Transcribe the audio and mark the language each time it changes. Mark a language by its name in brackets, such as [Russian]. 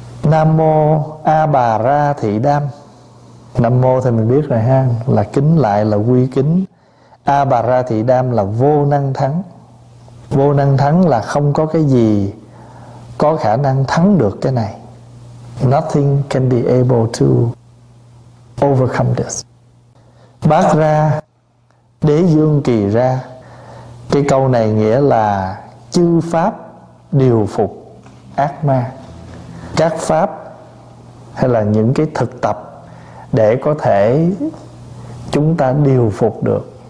[Vietnamese] Nam Mô A Bà Ra Thị Đam. Nam Mô thì mình biết rồi ha, là kính lại, là quy kính. A Bà Ra Thị Đam là vô năng thắng. Vô năng thắng là không có cái gì có khả năng thắng được cái này. [English] Nothing can be able to overcome this. [Vietnamese] Bát Ra Đế Dương Kỳ Ra. Cái câu này nghĩa là chư pháp điều phục ác ma. Các pháp hay là những cái thực tập để có thể chúng ta điều phục được.